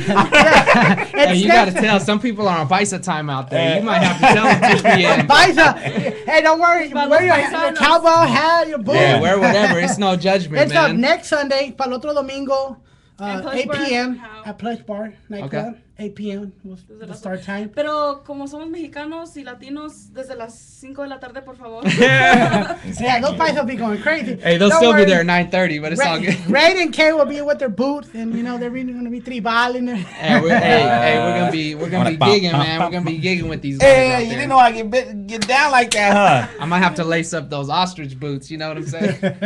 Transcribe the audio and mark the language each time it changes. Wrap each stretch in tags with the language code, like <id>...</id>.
<en>Yeah. Hey, you got to tell. Some people are on Visa time out there. You might have to tell them 2 p.m. Visa. Hey, don't worry. Wear your cowboy hat, your boots. Yeah, wear whatever. It's no judgment, it's man. It's up next Sunday, Pal Otro Domingo, 8 p.m. at Plush Bar. Okay. 8 p.m. was the start time.</en> <es>Pero como somos mexicanos y latinos, desde las 5 de la tarde, por favor.</es> <en>Yeah, those guys will be going crazy. Hey, they'll be there at 9:30, but it's all good. Ray and Kay will be with their boots, and you know, they're going to be tribaling. We're going to be gigging, man. We're going to be gigging with these guys. Hey, you didn't know I could get down like that, huh? I might have to lace up those ostrich boots, you know what I'm saying?</en>